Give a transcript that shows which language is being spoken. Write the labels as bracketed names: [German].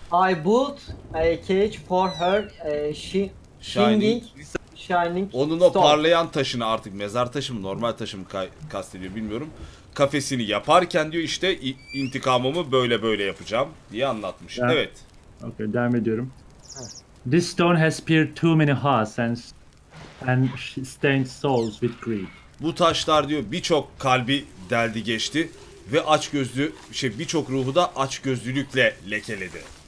[English] I built a cage for her shining [Turkish] onun [English] stone. [Turkish] O parlayan taşını artık mezar taşı mı normal taşı mı kastediyor bilmiyorum. Kafesini yaparken diyor işte intikamımı böyle yapacağım diye anlatmış. [English] Yeah. [Turkish] Evet. Okay, devam ediyorum. [English] This stone has pierced too many hearts and stained souls with greed. [Turkish] Bu taşlar diyor birçok kalbi deldi geçti ve açgözlü birçok ruhu da açgözlülükle lekeledi.